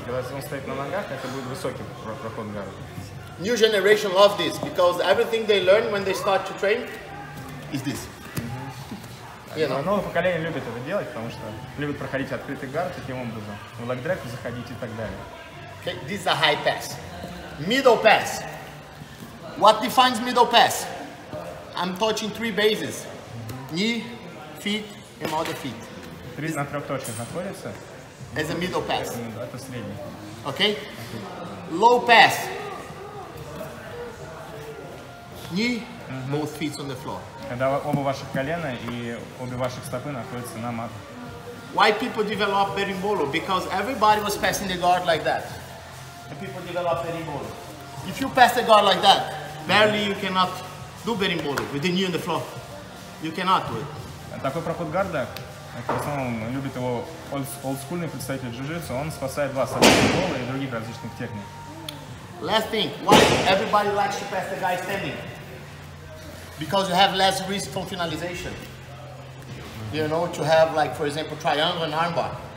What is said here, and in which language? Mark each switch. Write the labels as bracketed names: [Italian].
[Russian] Когда он стоит на ногах, это будет высокий проход гарда. [English] New generation love this because everything they learn when they start to train is this. Mm-hmm. [Russian] Новое поколение любит это делать, потому что любит проходить открытый гард таким образом, в лэг-дрэк заходить и так далее. [English] Okay, this is a high pass. Middle pass. What defines middle pass? I'm touching three bases. Mm-hmm. Knee, feet, and other feet. Three [Russian] на трех точках находится. [English] As a middle pass. [Russian] Это средний. [English] Okay? Low pass. Knee, mm-hmm. both feet on the floor. [Russian] Когда оба ваших колена и обе ваших стопы находятся на мат. [English] Why people develop berimbolo? Because everybody was passing the guard like that. And people develop berimbolo. If you pass the guard like that, barely you cannot do berimbolo with the knee on the floor. You cannot do it. [Russian] Такой проход гарда, как в основном любит его олдскульный представитель джиу-джитсу, он спасает вас от беримбола и других различных техник. [English] Last thing, why everybody likes to pass the guy standing? Because you have less risk from finalization. You know, to have like, for example, triangle and armbar.